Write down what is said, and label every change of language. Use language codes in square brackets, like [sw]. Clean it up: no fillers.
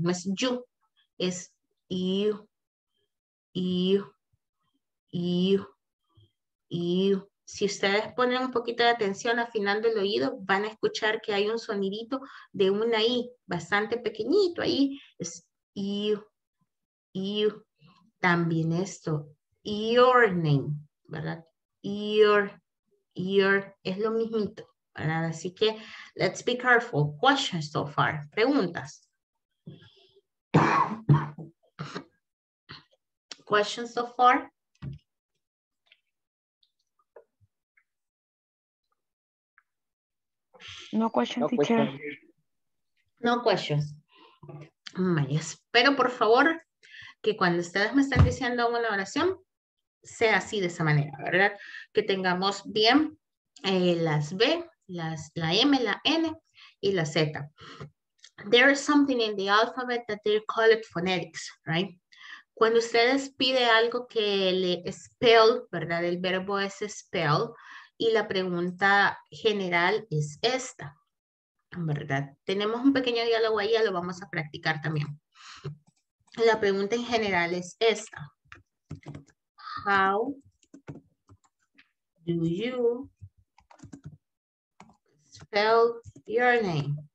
[es] No es you, es you, you, you, you. Si ustedes ponen un poquito de atención afinando el oído, van a escuchar que hay un sonidito de una I bastante pequeñito ahí. Es you, you. También esto, your name, ¿verdad? Your, your, es lo mismito. Así que, [en] let's be careful. Questions so far. Preguntas. Questions so far. No questions, no questions, teacher. No questions. [es] Espero, por favor, que cuando ustedes me están diciendo una oración, sea así de esa manera, ¿verdad? Que tengamos bien las B. La M, la N y la Z. [en] There is something in the alphabet that they call it phonetics, right? [es] Cuando ustedes piden algo que le spell, ¿verdad? El verbo es spell y la pregunta general es esta, ¿verdad? Tenemos un pequeño diálogo ahí, ya lo vamos a practicar también. La pregunta en general es esta. [en] How do you spell your name?